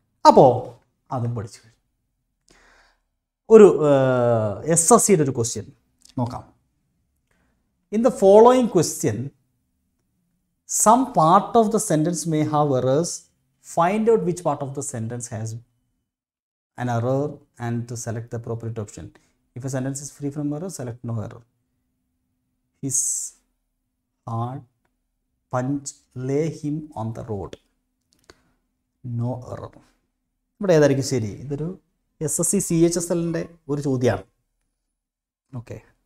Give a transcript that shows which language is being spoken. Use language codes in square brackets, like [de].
[ml] അപ്പോൾ അതും പഠിച്ചു കഴിഞ്ഞു. ഒരു എസ് എസ് സിയുടെ ഒരു ക്വസ്റ്റ്യൻ നോക്കാം. [en] In the following question some part of the sentence may have errors, find out which part of the sentence has an error and to select the appropriate option. If a sentence is free from error, select no error. His heart punch lay him on the road. No error. [ml] ഇവിടെ ഏതായിരിക്കും ശരി? ഇതൊരു S S C C H S എല്ലിൻ്റെ ഒരു ചോദ്യമാണ്. Okay,